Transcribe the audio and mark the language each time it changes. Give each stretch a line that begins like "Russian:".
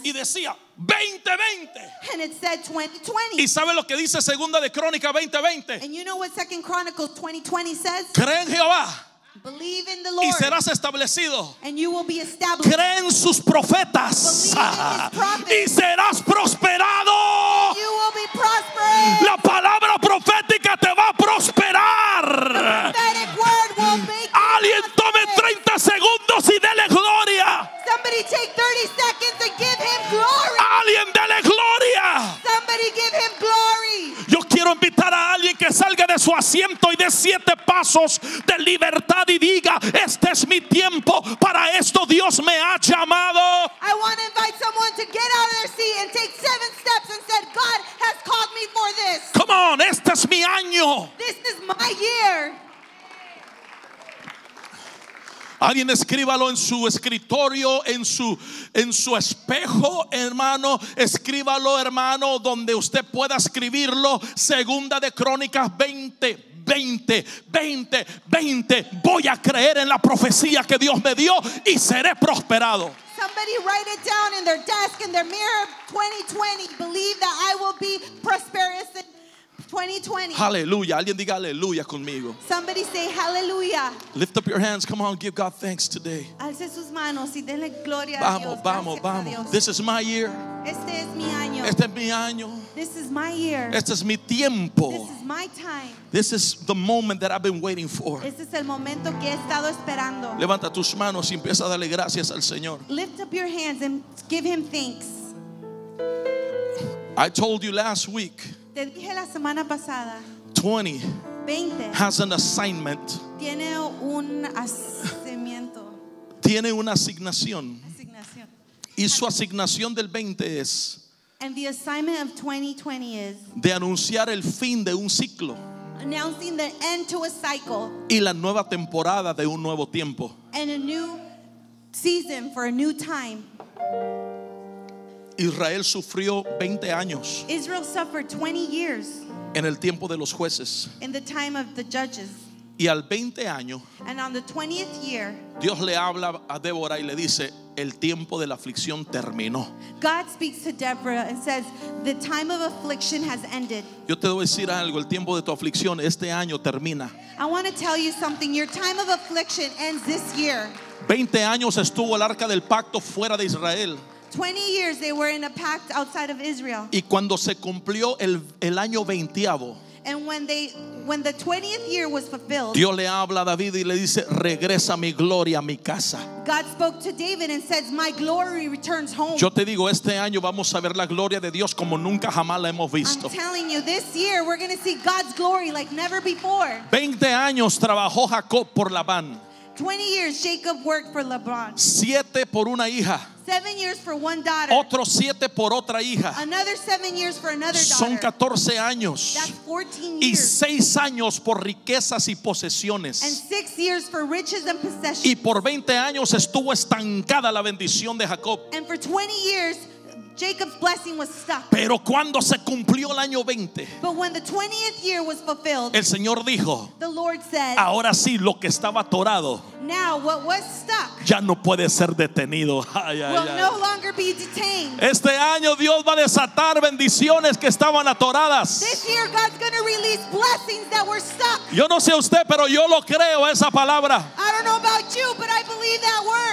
Spanish: Y decía 2020.
English: And it said 2020.
Spanish: ¿Y sabe lo que dice Segunda de Crónicas 2020?
English: And you know what Second Chronicles 2020 says?
Spanish: Cree en Jehová.
English: Believe in the Lord.
Spanish: Y serás establecido.
English: And you will be established.
Spanish: Cree en sus profetas.
English: Believe in his prophets.
Spanish: Y serás prosperado.
English: You will be prosperous.
Spanish: La palabra profética te va a prosperar.
English: The prophetic word will make you prosper.
Spanish: Alguien tome 30 segundos y dele gloria.
English: Somebody take 30 seconds and give him glory.
Spanish: Alguien dele gloria.
English: Somebody give him glory.
Spanish: Yo quiero invitar a alguien que salga de su asiento y dé siete pasos de libertad y diga, este es mi tiempo, para esto Dios me ha llamado.
English: I want to invite someone to get out of their seat and take seven steps and said, God has called me me for this. Come on,
Spanish: este es mi año.
English: This is my year.
Spanish: Alguien escríbalo en su escritorio, en su espejo, hermano. Escríbalo, hermano, donde usted pueda escribirlo. Segunda de Crónicas 20:20:20. Voy a creer en la profecía que Dios me dio y seré prosperado.
English: Somebody write it down in their desk, in their mirror, 2020. Believe that I will be prosperous in 2020.
Spanish: Hallelujah. Alguien diga aleluya conmigo.
English: Somebody say hallelujah. Lift up your hands. Come on, give God thanks today.
Spanish: Alce sus manos y denle gloria a Dios. Vamos, vamos, vamos.
English: This is my year.
Spanish: Este es mi año. Este es mi año.
English: This is my year.
Spanish: Este es mi tiempo.
English: This is my time. This is the moment that I've been waiting for.
Spanish: Este es el momento que he estado esperando. Levanta tus manos y empieza a darle gracias al Señor.
English: Lift up your hands and give him thanks. I told you last week.
Spanish: Te dije la semana pasada. 20. 20.
English: Has an assignment.
Spanish: Tiene un asignamiento. Tiene una asignación. Asignación. Y su asignación del 20 es.
English: And the assignment of 2020 is.
Spanish: De anunciar el fin de un ciclo.
English: Announcing the end to a cycle.
Spanish: Y la nueva temporada de un nuevo tiempo.
English: And a new season for a new time.
Spanish: Israel sufrió 20 años.
English: Israel suffered 20 years.
Spanish: En el tiempo de los jueces.
English: In the time of the judges.
Spanish: Y al 20 año.
English: And on the 20th year.
Spanish: Dios le habla a Débora y le dice, el tiempo de la aflicción terminó.
English: God speaks to Deborah and says, the time of affliction has ended.
Spanish: Yo te debo decir algo, el tiempo de tu aflicción este año termina.
English: I want to tell you something, your time of affliction ends this year.
Spanish: 20 años estuvo el arca del pacto fuera de Israel.
English: 20 years they were in a pact outside of Israel.
Spanish: Y cuando se cumplió el año 20avo.
English: And when the 20th year was fulfilled.
Spanish: Dios le habla a David y le dice, regresa mi gloria a mi casa.
English: God spoke to David and says, my glory returns home.
Spanish: Yo te digo, este año vamos a ver la gloria de Dios como nunca jamás la hemos visto.
English: I'm telling you, this year we're going to see God's glory like never before.
Spanish: 20 años trabajó Jacob por Labán.
English: 20 years Jacob worked for Laban.
Spanish: 7 por una hija.
English: 7 years for one daughter.
Spanish: Otros 7 por otra hija.
English: Another 7 years for another daughter.
Spanish: Son 14 años.
English: That's 14 years.
Spanish: Y 6 años por riquezas y posesiones.
English: And 6 years for riches and possessions.
Spanish: Y por 20 años estuvo estancada la bendición de Jacob.
English: And for 20 years Jacob's blessing was stuck.
Spanish: Pero cuando se cumplió el año 20,
English: but when the 20th year was fulfilled,
Spanish: el Señor dijo,
English: the Lord said,
Spanish: ahora sí, lo que estaba atorado,
English: now what was stuck,
Spanish: ya no puede ser detenido. Ay, ay,
English: will ay, no ay. Longer be detained.
Spanish: Este año Dios va a desatar bendiciones que estaban atoradas.
English: This year God's going to release blessings that were stuck.
Spanish: Yo no sé usted, pero yo lo creo esa palabra.
English: I don't know about you, but I believe that word.